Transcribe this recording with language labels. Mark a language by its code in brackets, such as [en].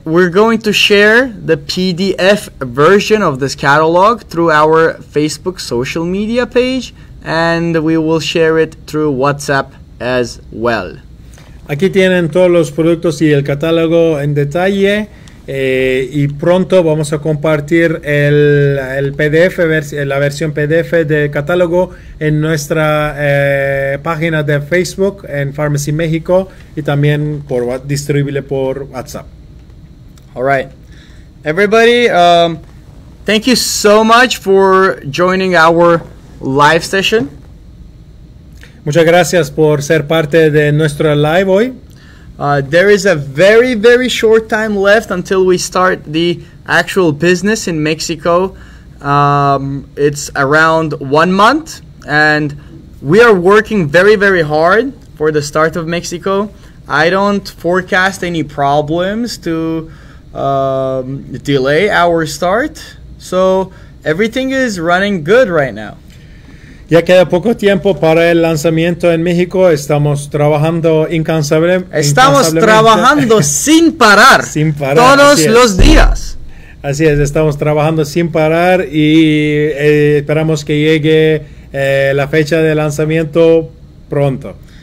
[en] We're going to share the PDF version of this catalog through our Facebook social media page, and we will share it through WhatsApp as well. [es] Aquí tienen todos los productos y el catálogo en detalle y pronto vamos a compartir el PDF, la versión PDF del catálogo en nuestra página de Facebook en Farmasi México y también por distribuible por WhatsApp. [en] All right. Everybody, thank you so much for joining our live session. [es] Muchas gracias por ser parte de nuestro live hoy. [en] There is a very, very short time left until we start the actual business in Mexico. It's around 1 month, and we are working very, very hard for the start of Mexico. I don't forecast any problems to delay our start, so everything is running good right now. [es] Ya queda poco tiempo para el lanzamiento en México. Estamos trabajando incansablemente. Estamos trabajando sin parar. Sin parar. Todos los días. Así es, estamos trabajando sin parar y esperamos que llegue la fecha de lanzamiento pronto.